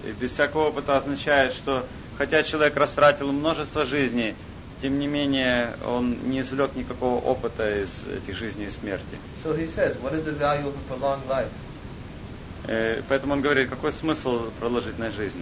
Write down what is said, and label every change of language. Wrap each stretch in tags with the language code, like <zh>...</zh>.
<ru>И без всякого опыта означает, что хотя человек растратил множество жизней, тем не менее, он не извлек никакого опыта из этих жизней и смерти.</ru> <en>So he says, what is the value of a prolonged life?</en> <ru>Поэтому он говорит, какой смысл продолжительной жизни,</ru>